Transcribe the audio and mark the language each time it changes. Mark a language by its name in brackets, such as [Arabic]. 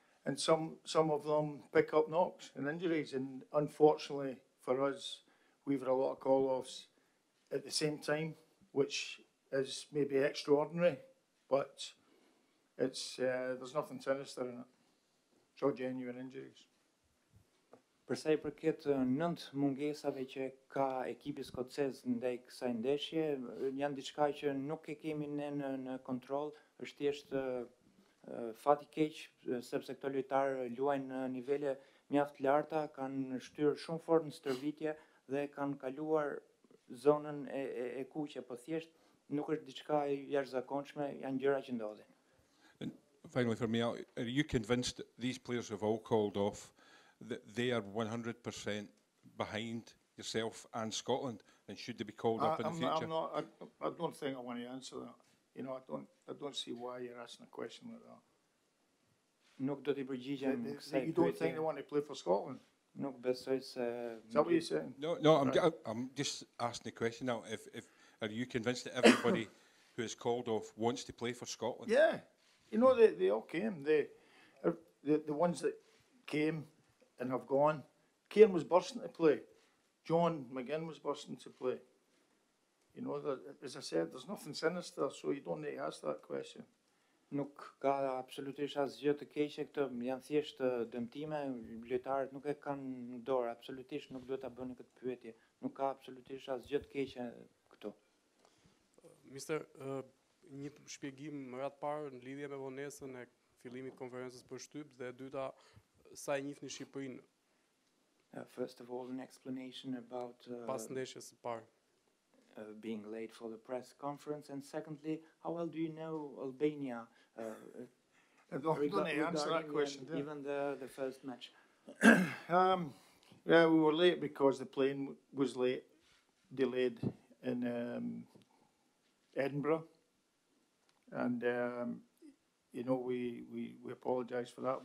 [English] And some of them pick up knocks and injuries. And unfortunately for us, we've had a lot of call-offs at the same time, which is maybe extraordinary, but there's nothing sinister in it. It's all genuine injuries. [Albanian] Përsa I përket 9 mungesave që ka ekipi skocez ndaj kësaj ndeshje, janë diçka që nuk e kemi ne në kontroll, është thjesht fat I keq, sepse këto lojtarë luajnë në nivele mjaft larta, kanë shtyrë shumë fort në stërvitje dhe kanë kaluar zonën e kuqe, po thjesht nuk është diçka e jashtëzakonshme, janë gjëra që ndodhin. [English] And finally for me, are you convinced that these players have all called off, that they are 100% behind yourself and Scotland, and should they be called up in the future? I don't think I want to answer that. You know, I don't see why you're asking a question like that. [Albanian] Nuk do t'i përgjigjem. [English] You don't think they want to play for Scotland? [Albanian] Nuk besoj se. [English] Is that what you're saying? No, I'm just asking the question now. If are you convinced that everybody who is called off wants to play for Scotland? Yeah, you know they all came. The ones that came and have gone. Kieran was bursting to play. John McGinn was bursting to play. You know, as I said, there's nothing sinister, so you don't need to ask that question. [Albanian] Nuk ka absolutisht asgjë të keqe këtë, janë thjesht dëmtime, lojtarët nuk e kanë në dorë, absolutisht nuk duhet ta bëni këtë pyetje. Nuk ka absolutisht asgjë të keqe këtu. Mister, një shpjegim më radh parë në lidhje me vonesën e fillimit të konferencës për shtyp dhe e dyta, sa e njihni Shqipërinë? [English] First of all, an explanation about [Albanian] pas ndeshjes parë. [English] Being late for the press conference, and secondly, how well do you know Albania? I don't answer that question, even the first match. Yeah, we were late because the plane was late, delayed in Edinburgh, and you know we apologise for that.